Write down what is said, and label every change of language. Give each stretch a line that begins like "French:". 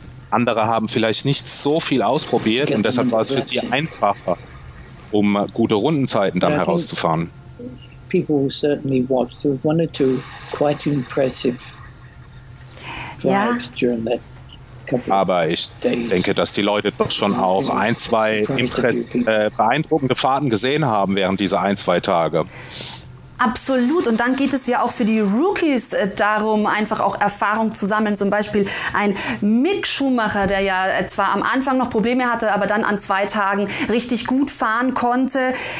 German: Andere haben vielleicht nicht so viel ausprobiert und deshalb war es für sie einfacher, um gute Rundenzeiten dann herauszufahren.
English: People will certainly watch. There were one or two quite impressive drives during that.
German: Aber ich denke, dass die Leute doch schon auch ein, zwei beeindruckende Fahrten gesehen haben während dieser ein, zwei Tage. Absolut. Und dann geht es ja auch für die Rookies darum, einfach auch Erfahrung zu sammeln. Zum Beispiel ein Mick Schumacher, der ja zwar am Anfang noch Probleme hatte, aber dann an 2 Tagen richtig gut fahren konnte.